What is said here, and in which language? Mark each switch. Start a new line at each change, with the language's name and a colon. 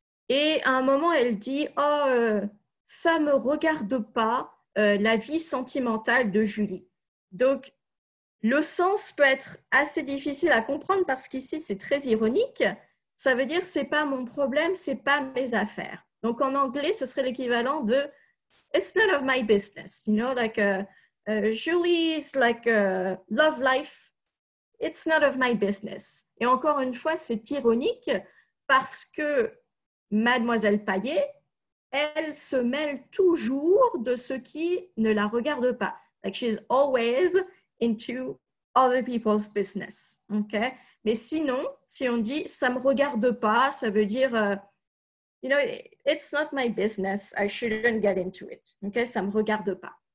French: Et à un moment, elle dit, oh, ça ne me regarde pas la vie sentimentale de Julie. Donc, le sens peut être assez difficile à comprendre parce qu'ici, c'est très ironique. Ça veut dire c'est pas mon problème, c'est pas mes affaires. Donc en anglais, ce serait l'équivalent de
English: it's none of my business. You know, like Julie's like love life, it's none of my business.
French: Et encore une fois, c'est ironique parce que Mademoiselle Paillet, elle se mêle toujours de ce qui ne la regarde pas.
English: Like she's always into other people's business. Okay?
French: Mais sinon, si on dit ça me regarde pas, ça veut dire
English: it's not my business, I shouldn't get into it.
French: Okay? Ça me regarde pas.